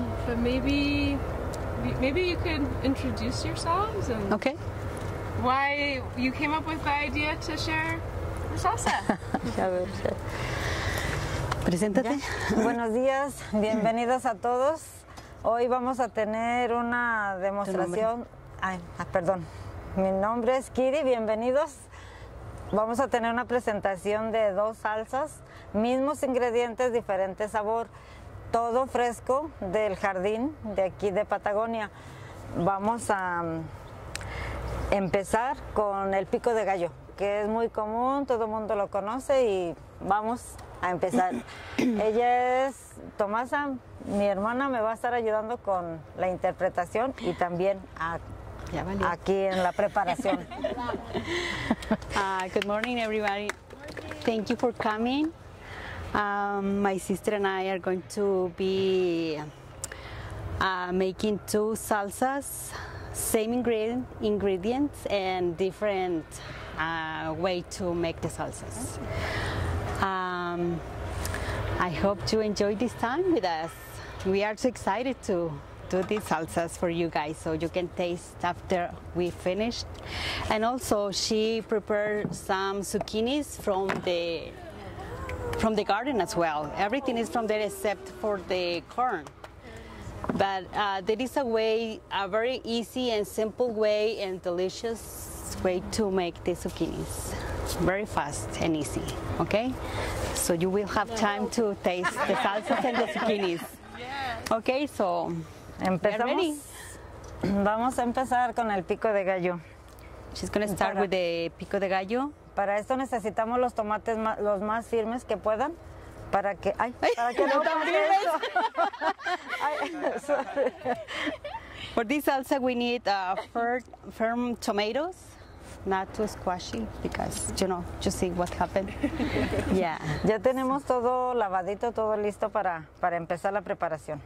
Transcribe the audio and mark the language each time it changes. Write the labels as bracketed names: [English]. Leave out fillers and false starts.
[English] but maybe you could introduce yourselves. And okay. Why you came up with the idea to share the salsa. [Spanish] A ver. Preséntate. Buenos días, bienvenidos a todos. Hoy vamos a tener una demostración. Perdón. Mi nombre es Kiri, bienvenidos. Vamos a tener una presentación de dos salsas, mismos ingredientes, diferente sabor, todo fresco del jardín de aquí de Patagonia. Vamos a empezar con el pico de gallo, que es muy común, todo el mundo lo conoce y vamos a empezar. Ella es Tomasa, mi hermana me va a estar ayudando con la interpretación y también a aquí en la preparación. [English] Good morning, everybody. Thank you for coming. My sister and I are going to be making two salsas, same ingredients and different way to make the salsas. I hope to enjoy this time with us. We are so excited to do these salsas for you guys, so you can taste after we finished. And also, she prepared some zucchinis from the garden as well. Everything is from there except for the corn. But there is a very easy and simple way and delicious way to make the zucchinis. Very fast and easy, okay? So you will have time to taste the salsas and the zucchinis. Okay, so. [Spanish] Empezamos. Vamos a empezar con el pico de gallo. [English] She's going to start with the pico de gallo. [Spanish] Para esto necesitamos los tomates los más firmes que puedan para que no tan firmes. [English] For this salsa we need firm tomatoes, not too squashy because you know, you see what happened. Yeah. [Spanish] Ya tenemos todo lavadito, todo listo para empezar la preparación.